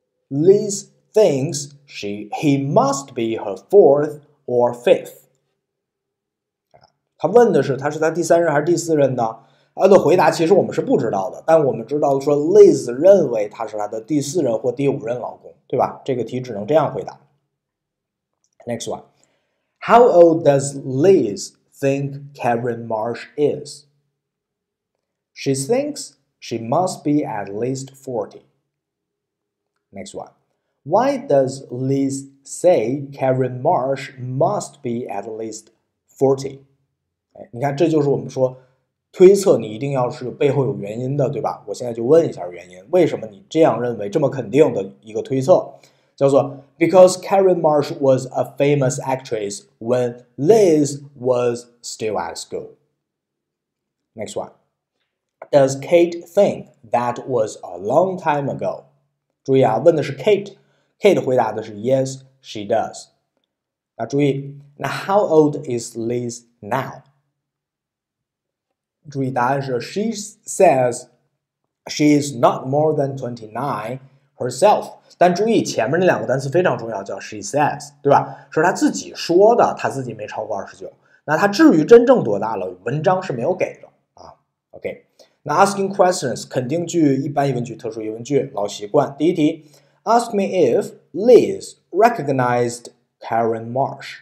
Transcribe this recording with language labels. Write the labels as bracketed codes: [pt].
[en] Liz thinks he must be her fourth or fifth. [zh] 他问的是他是他第三任还是第四任呢？他的回答其实我们是不知道的，但我们知道说 Liz 认为他是他的第四任或第五任老公，对吧？这个题只能这样回答。 [en] Next one. How old does Liz think Karen Marsh is? She thinks she must be at least 40. Next one. Why does Liz say Karen Marsh must be at least 40? [zh] 你看这就是我们说推测你一定要是背后有原因的，对吧？我现在就问一下原因，为什么你这样认为，这么肯定的一个推测，叫做 [en] Because Karen Marsh was a famous actress when Liz was still at school. Next one. Does Kate think that was a long time ago? [zh] 注意啊，问的是 Kate. Kate 回答的是 [en] Yes, she does. [zh] 那注意，那 [en] How old is Liz now? [zh] 注意答案是 [en] She says she is not more than 29 herself. [zh] 但注意前面那两个单词非常重要，叫 [en] she says， [zh] 对吧？是他自己说的，他自己没超过29。那他至于真正多大了，文章是没有给的啊。 OK， 那 asking questions 肯定句、一般疑问句、特殊疑问句，老习惯。第一题 [en] ，Ask me if Liz recognized Karen Marsh。